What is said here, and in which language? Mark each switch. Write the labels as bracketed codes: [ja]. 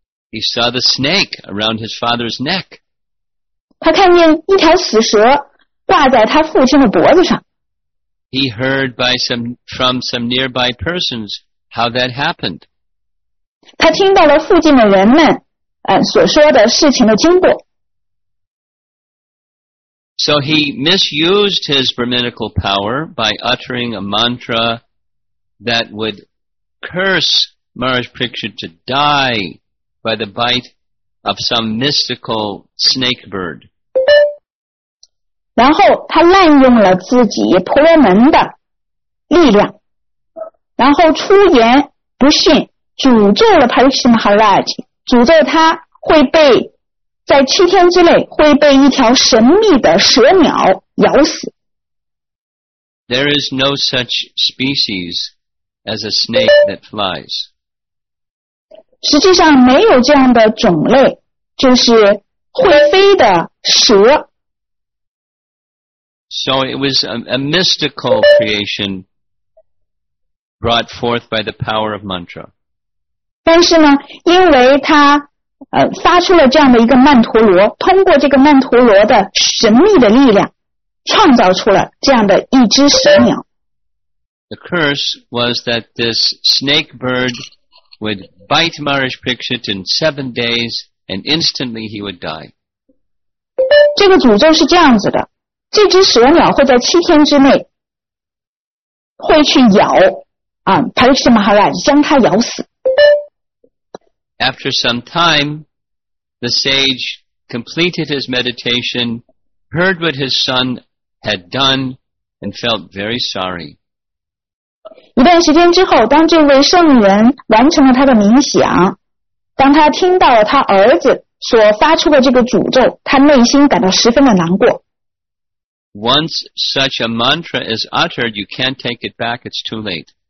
[en] He saw the snake around his father's neck. [zh] 他看见一条死蛇挂在他父亲的脖子上。 [en] He heard by some, from some nearby persons how that happened. [zh] 他听到了附近的人们、所说的事情的经过。 [en] So he misused his brahminical power by uttering a mantra that would curse Maharaj Pariksit to die by the bite of some mystical snake bird. [zh] 然后他滥用了自己婆罗门的力量，然后出言不逊，诅咒了 Pariksit Maharaj， 诅咒他会被在七天之内会被一条神秘的蛇鸟咬死。 [en] There is no such species as a snake that flies. [zh] 实际上没有这样的种类，就是会飞的蛇。 [en] So it was a mystical creation brought forth by the power of mantra. [zh] 但是呢，因为它发出了这样的一个曼陀罗，通过这个曼陀罗的神秘的力量创造出了这样的一只蛇鸟。 [en] The curse was that this snake bird would bite Maharaj Pariksit in 7 days and instantly he would die. [zh] 这个诅咒是这样子的，这只蛇鸟会在七天之内会去咬Pariksit Maharaj， 将它咬死。 [en] After some time, the sage completed his meditation, heard what his son had done, and felt very sorry. [zh] 一段时间之后，当这位圣人完成了他的冥想，当他听到了他儿子所发出的这个诅咒，他内心感到十分的难过。 [en] Once such a mantra is uttered, you can't take it back, it's too late.